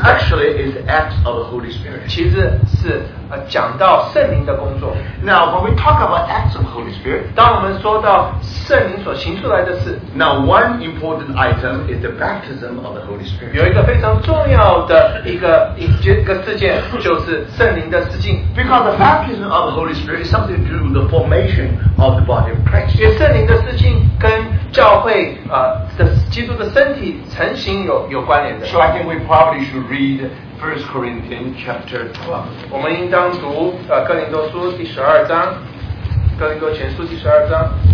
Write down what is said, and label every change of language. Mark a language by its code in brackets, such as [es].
[en] actually is the Acts of the Holy Spirit. [zh] 其实是, 讲到圣灵的工作。 [en] Now when we talk about Acts of the Holy Spirit, [zh] 当我们说到圣灵所行出来的事, [en] now one important item is the baptism of the Holy Spirit. [zh] 有一个非常重要的一个事件就是圣灵的施浸。 [en] Because the baptism of the Holy Spirit is something to do with the formation of the body of Christ. [zh] 也圣灵的施浸跟教会基督的身体成型有关联的。 [en] So I think we probably should read 1 Corinthians chapter 12. [zh] 我们应当读, 哥林多书第十二章, 哥林多前书第十二章,